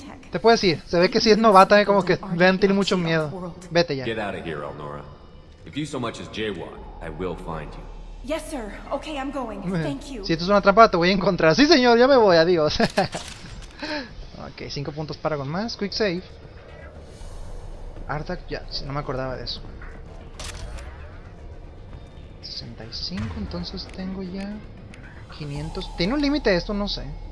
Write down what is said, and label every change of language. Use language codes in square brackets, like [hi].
[es] Te puedo decir, se ve que si es novata, como que vean, tiene mucho miedo. Vete ya. [en] Get out of here, Elnora. If you so much as jaywalk, I will find you. Yes, sir. Okay, I'm going. Thank you. [es] Si esto es una trampa, te voy a encontrar. Sí, señor, ya me voy, adiós. Ok, 5 puntos para con más. [en] Quick save. [es] Artak, ya, no me acordaba de eso. 65, entonces tengo ya 500. ¿Tiene un límite esto? No sé.